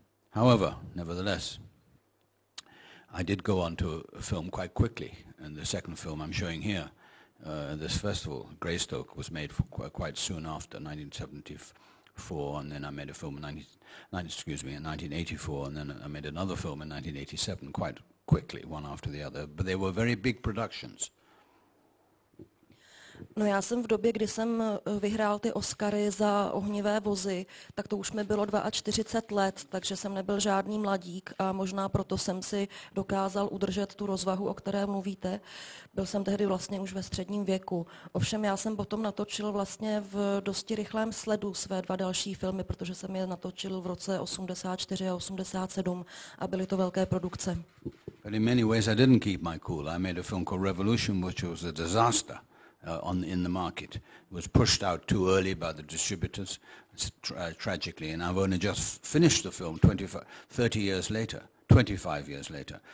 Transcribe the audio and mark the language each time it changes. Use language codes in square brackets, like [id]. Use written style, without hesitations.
[en] However, nevertheless, I did go on to a film quite quickly, and the second film I'm showing here, this festival, Greystoke, was made for quite soon after 1974, and then I made a film in 1984, and then I made another film in 1987, quite quickly, one after the other. But they were very big productions. [cs] No, já jsem v době, kdy jsem vyhrál ty Oscary za Ohnivé vozy, tak to už mi bylo 42 let, takže jsem nebyl žádný mladík a možná proto jsem si dokázal udržet tu rozvahu, o které mluvíte. Byl jsem tehdy vlastně už ve středním věku. Ovšem, já jsem potom natočil vlastně v dosti rychlém sledu své dva další filmy, protože jsem je natočil v roce 84 a 87 a byly to velké produkce. [en] But in many ways I didn't keep my cool. I made a film called Revolution, which was a disaster. In the market. It was pushed out too early by the distributors, tragically, and I've only just finished the film 25 years later.